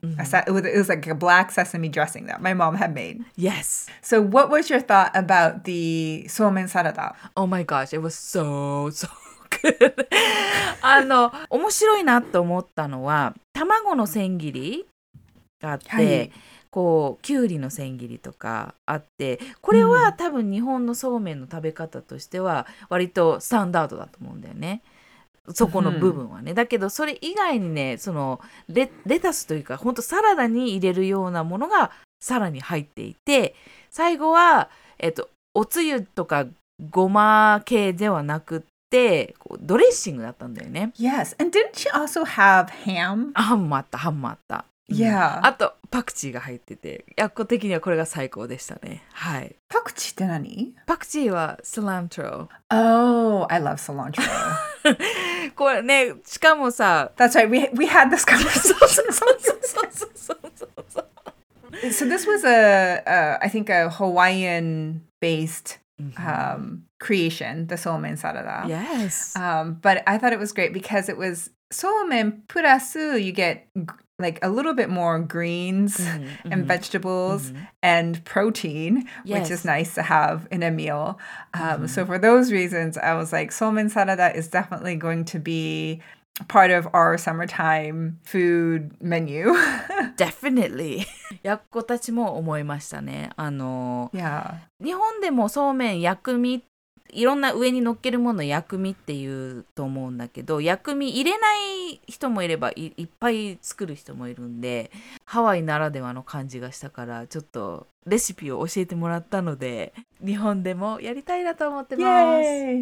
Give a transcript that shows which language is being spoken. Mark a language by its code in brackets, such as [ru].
[en] It was like a black sesame dressing that my mom had made. Yes. So what was your thought about the somen salada? Oh my gosh, it was so, so good. [ja] ano, 面白いなと思ったのは、卵の千切りがあって、こうきゅうりの千切りとかあって、これは多分日本のそうめんの食べ方としては割とスタンダードだと思うんだよね、そこの部分はね、うん、だけどそれ以外にね、その レタスというか本当サラダに入れるようなものがさらに入っていて、最後は、おつゆとかごま系ではなくて、でこうドレッシングだったんだよね。 [en] Yes, and didn't she also have ham? [ja] ハムもあった、ハムもあった。 [en] Yeah, [ja] あとパクチーが入ってて、薬効的にはこれが最高でしたね。はい。パクチーって何？パクチーはシラントロ。 [en] Oh, I love cilantro. [ja] これね、しかもさ、 [en] That's right, we had this conversation. [ja] そうそうそうそうそう。 [en] So this was a, I think a Hawaiian based creation, the somen salada. Yes. But I thought it was great because it was somen plus you get like a little bit more greens and vegetables and protein, which is nice to have in a meal. So for those reasons, I was like, somen salada is definitely going to be part of our summertime food menu. Definitely. [ja] やっこたちも思いましたね。日本でもそうめん薬味、いろんな上に乗っけるもの薬味っていうと思うんだけど、薬味入れない人もいれば いっぱい作る人もいるんで、ハワイならではの感じがしたから、ちょっとレシピを教えてもらったので、日本でもやりたいなと思ってます。